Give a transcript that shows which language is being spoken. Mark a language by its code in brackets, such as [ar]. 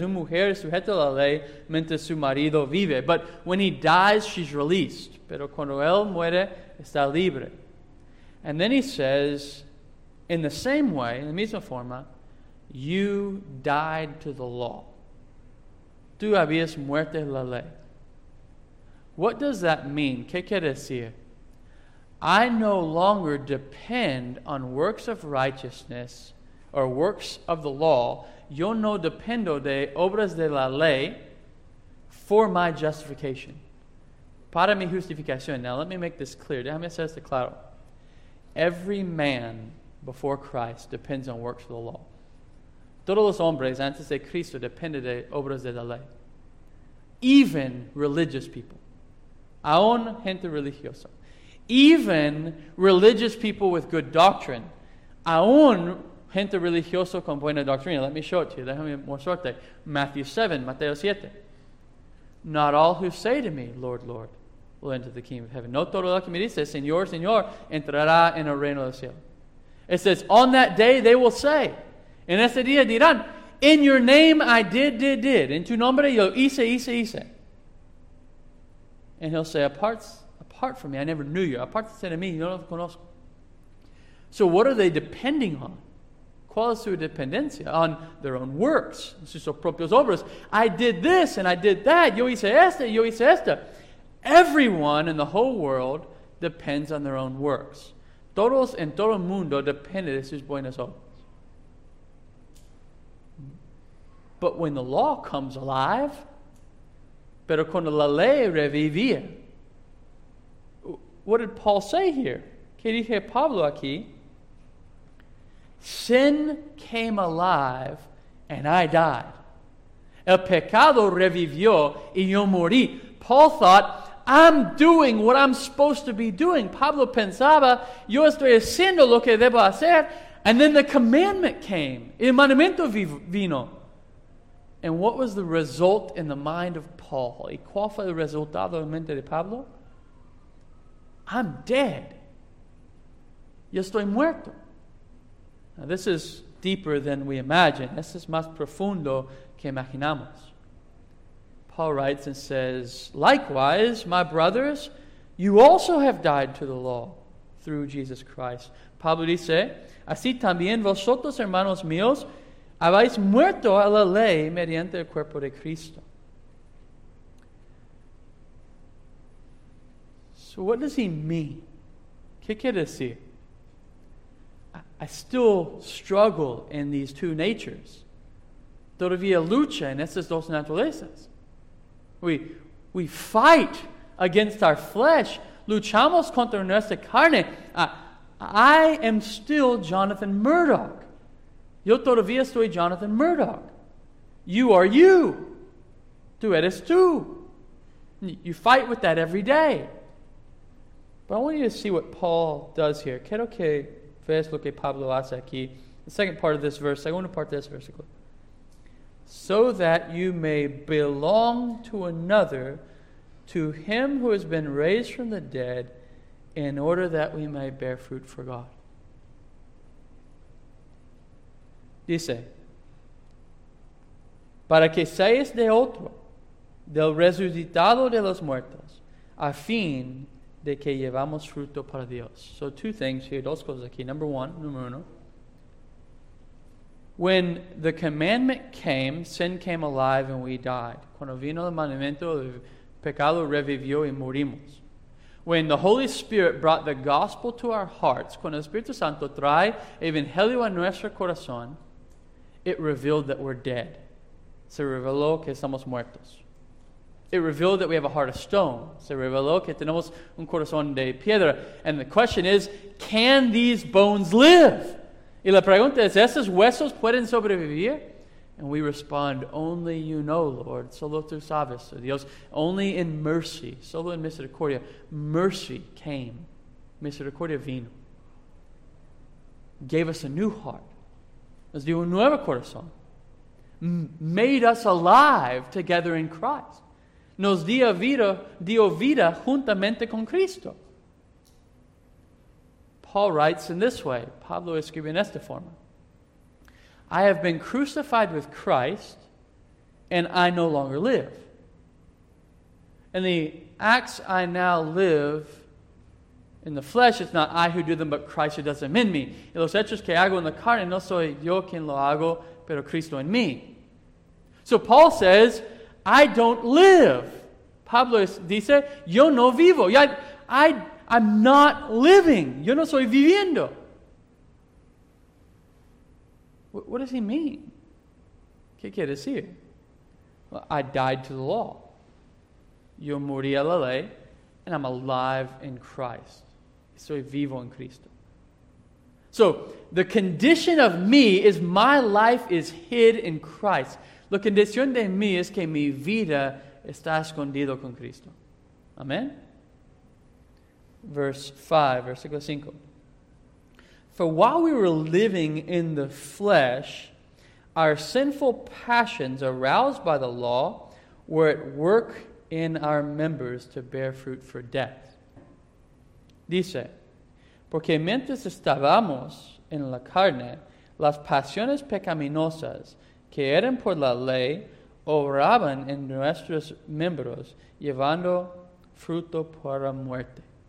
[es] Una mujer es sujeta a la ley mientras su marido vive. [en] But when he dies, she's released. [es] Pero cuando él muere, está libre. [en] And then he says, in the same way, in the [es] misma forma, [en] you died to the law. [es] Tú habías muerto la ley. [en] What does that mean? [es] ¿Qué quiere decir? [en] I no longer depend on works of righteousness or works of the law. [es] Yo no dependo de obras de la ley [en] for my justification. [es] Para mi justificación. [en] Now let me make this clear. [es] Déjame hacer esto claro. [en] Every man before Christ depends on works of the law. [es] Todos los hombres antes de Cristo dependen de obras de la ley. [en] Even religious people. [es] Aún gente religiosa. [en] Even religious people with good doctrine. [es] Aún gente religiosa con buena doctrina. [en] Let me show it to you. [es] Déjame mostrarte. [en] Matthew 7, Mateo 7. Not all who say to me, Lord, Lord, will enter the kingdom of heaven. [es] No todo lo que me dice, Señor, Señor, entrará en el reino del cielo. [en] It says, on that day they will say, [es] en ese día dirán, [en] in your name I did. [es] En tu nombre yo hice. [en] And he'll say, apart from me, I never knew you. [es] Apart de mí, yo no lo conozco. [en] So what are they depending on? [es] ¿Cuál es su dependencia? [en] On their own works, [es] sus propios obras. [en] I did this and I did that. [es] Yo hice esto. [en] Everyone in the whole world depends on their own works. [es] Todos en todo mundo dependen de sus buenas obras. [en] But when the law comes alive, [es] pero cuando la ley revivía, [en] what did Paul say here? [es] ¿Qué dije Pablo aquí? [en] Sin came alive and I died. [es] El pecado revivió y yo morí. [en] Paul thought, I'm doing what I'm supposed to be doing. [es] Pablo pensaba, yo estoy haciendo lo que debo hacer. [en] And then the commandment came. [es] El mandamiento vino. [en] And what was the result in the mind of Paul? [es] ¿Y cuál fue el resultado en mente de Pablo? [en] I'm dead. [es] Yo estoy muerto. [en] Now this is deeper than we imagine. [es] Esto es más profundo que imaginamos. [en] Paul writes and says, likewise, my brothers, you also have died to the law through Jesus Christ. [es] Pablo dice, así también vosotros, hermanos míos, habéis muerto a la ley mediante el cuerpo de Cristo. [en] So what does he mean? [es] ¿Qué quiere decir? [en] I still struggle in these two natures. [es] Todavía lucha en estas dos naturalezas. [en] We fight against our flesh. [es] Luchamos contra nuestra carne. [en] I am still Jonathan Murdoch. [es] Yo todavía soy Jonathan Murdoch. [en] You are you. [es] Tú eres tú. [en] You fight with that every day. But I want you to see what Paul does here. [es] Quiero que veas lo que Pablo hace aquí. [en] The second part of this verse, [es] segunda parte de este versículo. [en] So that you may belong to another, to him who has been raised from the dead, in order that we may bear fruit for God. [es] Dice, para que seáis de otro, del resucitado de los muertos, a fin de que llevamos fruto para Dios. [en] So two things here, [es] dos cosas aquí. [en] Number one. When the commandment came, sin came alive and we died. [es] Cuando vino el mandamiento, el pecado revivió y morimos. [en] When the Holy Spirit brought the gospel to our hearts, [es] cuando el Espíritu Santo trae evangelio a nuestro corazón, [en] it revealed that we're dead. [es] Se reveló que estamos muertos. [en] It revealed that we have a heart of stone. [es] Se reveló que tenemos un corazón de piedra. [en] And the question is, can these bones live? [es] Y la pregunta es, ¿esos huesos pueden sobrevivir? [en] And we respond, only you know, Lord. [es] Solo tú sabes, so Dios. [en] Only in mercy, [es] solo en misericordia. [en] Mercy came. [es] Misericordia vino. [en] Gave us a new heart. [es] Nos dio un nuevo corazón. [en] Made us alive together in Christ. [es] Nos dio vida juntamente con Cristo. [en] Paul writes in this way. [es] Pablo escribe en esta forma. [en] I have been crucified with Christ, and I no longer live. And the acts I now live in the flesh, it's not I who do them, but Christ who does them in me. [es] Y los hechos que hago en la carne, no soy yo quien lo hago, pero Cristo en mí. [en] So Paul says, I don't live. [es] Pablo dice, yo no vivo. [en] I'm not living. [es] Yo no soy viviendo. [en] What does he mean? [es] ¿Qué quiere decir? [en] Well, I died to the law. [es] Yo morí a la ley, [en] and I'm alive in Christ. [es] Soy vivo en Cristo. [en] So the condition of me is my life is hid in Christ. [es] La condición de mí es que mi vida está escondida con Cristo. Amén. Versículo 5. [en] For while we were living in the flesh, our sinful passions aroused by the law were at work in our members to bear fruit for death. [es] Dice, porque mientras estábamos en la carne, las pasiones pecaminosas que eran por la ley, obraban en nuestros miembros, llevando fruto para muerte.